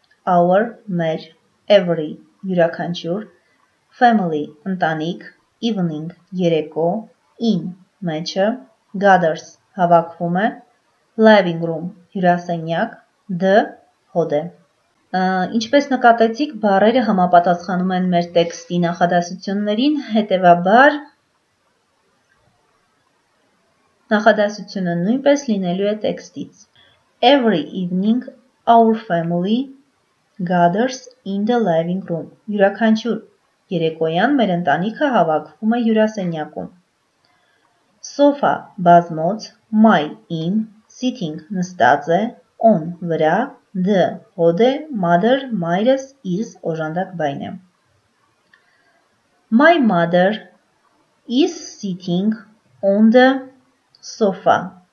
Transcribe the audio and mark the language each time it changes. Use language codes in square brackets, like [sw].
[en] Our, մեր, every, յուրաքանչյուր, family, ընտանիք, evening, երեկո, in, մեջը, gathers, հավաքվում է, living room, [hy] հյուրասենյակ, the հոդեմ։ Ինչպես նկատեցիք, բառերը համապատասխանում են մեր տեքստի նախադասություններին, հետևաբար նախադասությունը նույնպես լինելու է տեքստից. [en] Every evening our family gathers in the living room. [hy] Յուրաքանչյուր երեկոյան մեր ընտանիքը հավաքվում է հյուրասենյակում։ Sofa բազմոց, my in, sitting նստած է, on վրա, the հոդե, mother մայրս, is օժանդակ բայն է։ [en] My mother is sitting on the sofa.